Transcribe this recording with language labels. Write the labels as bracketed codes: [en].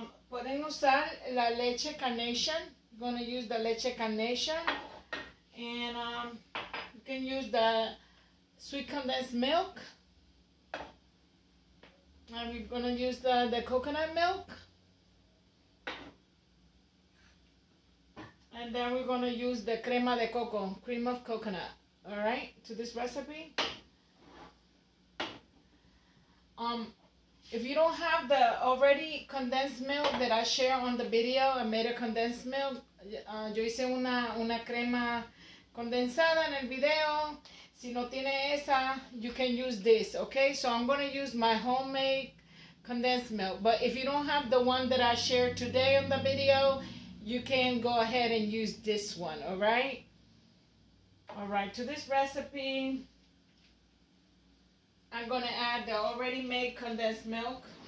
[es] Pueden usar la leche carnation. [en] Gonna use the leche carnation, and you can use the sweet condensed milk, and we're gonna use the coconut milk, and then we're gonna use the [es] crema de coco, [en] cream of coconut, all right, to this recipe. If you don't have the already condensed milk that I share on the video, I made a condensed milk. [es] Yo hice una crema condensada en el video. Si no tiene esa, [en] you can use this, okay? So I'm going to use my homemade condensed milk. But if you don't have the one that I shared today on the video, you can go ahead and use this one, all right? All right, to this recipe, I'm going to add the already made condensed milk.